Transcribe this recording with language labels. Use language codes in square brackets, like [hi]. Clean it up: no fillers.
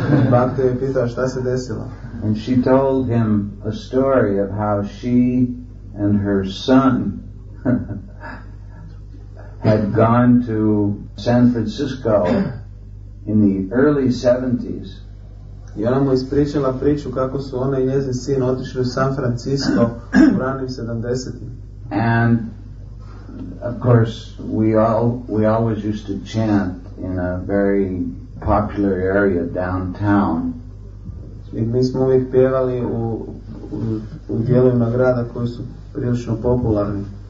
[bs] Bhakta je pitao šta se desilo. [en] And she told him a story of how she and her son had gone to San Francisco in the early 70s. [bs] I ona mu ispričala priču kako su ona i njezin sin otišli u San Francisco u ranim 70-im. [en] And of course we always used to chant in a very popular area downtown. [bs] I mi smo uvijek pjevali u dijelovima grada koji su prilično popularni.